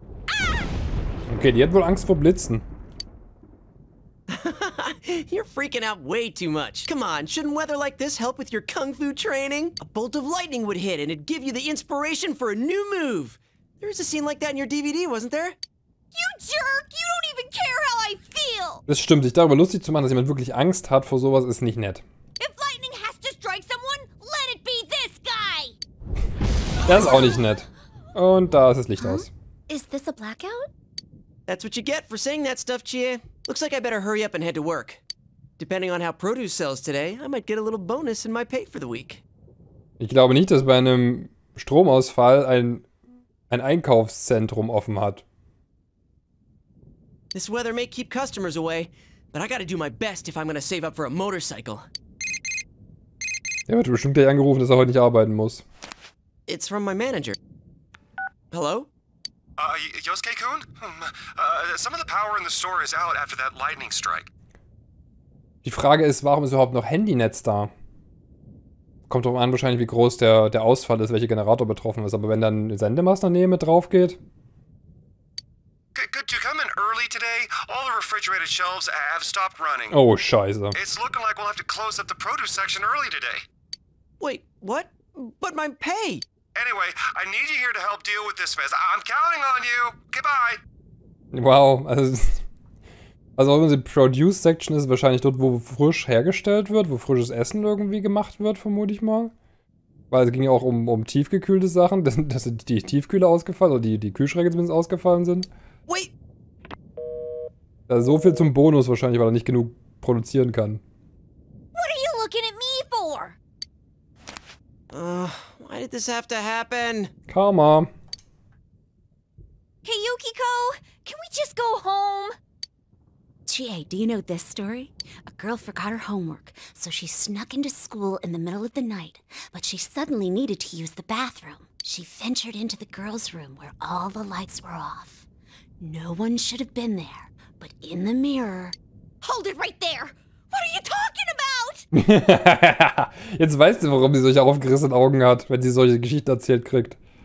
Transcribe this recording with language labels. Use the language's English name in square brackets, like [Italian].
[German] Ah! Okay, die hat wohl Angst vor Blitzen. [English] You're freaking out way too much. Come on, shouldn't weather like this help with your kung fu training? A bolt of lightning would hit and it'd give you the inspiration for a new move! There was a scene like that in your DVD, wasn't there? You jerk! You don't even care how I feel! [German] Das stimmt, sich darüber lustig zu machen, dass jemand wirklich Angst hat vor sowas, ist nicht nett. [English] If lightning has to strike someone, let it be this guy! [German] Das ist auch nicht nett. Und da ist das Licht aus. [English] Is this a blackout? That's what you get for saying that stuff, Chie. Looks like I better hurry up and head to work. Depending on how produce sells today, I might get a little bonus in my pay for the week. [German] Ich glaube nicht, dass bei einem Stromausfall ein Einkaufszentrum offen hat. [English] This weather may keep customers away, but I gotta do my best if I'm gonna save up for a motorcycle. [German] Er wird bestimmt gleich angerufen, dass er heute nicht arbeiten muss. [English] It's from my manager. Hello? Yosuke-kun? Some of the power in the store is out after that lightning strike. [German] Die Frage ist, warum ist überhaupt noch Handynetz da? Kommt drauf an, wahrscheinlich, wie groß der Ausfall ist, welcher Generator betroffen ist. Aber wenn dann ein Sendemast in der Nähe mit drauf geht. [English] Could you come in early today? All the refrigerated shelves have stopped running. [German] Oh, Scheiße. [English] It's looking like we'll have to close up the produce section early today. Wait, what? But my pay! Anyway, I need you here to help deal with this mess. I'm counting on you. Goodbye. [German] Wow, also wenn die Produce Section ist wahrscheinlich dort, wo frisch hergestellt wird, wo frisches Essen irgendwie gemacht wird, vermute ich mal. Weil es ging ja auch um tiefgekühlte Sachen, dass die Tiefkühler ausgefallen oder die Kühlschränke zumindest ausgefallen sind. [English] Wait. [German] Also so viel zum Bonus wahrscheinlich, weil er nicht genug produzieren kann. [English] What are you looking at me for? Why did this have to happen? Karma. Hey Yukiko, can we just go home? Chie, do you know this story? A girl forgot her homework, so she snuck into school in the middle of the night, but she suddenly needed to use the bathroom. She ventured into the girls' room where all the lights were off. No one should have been there, but in the mirror... Hold it right there! What are you talking about? [German] Jetzt weißt du, warum sie solche aufgerissenen Augen hat, wenn sie solche Geschichten erzählt kriegt.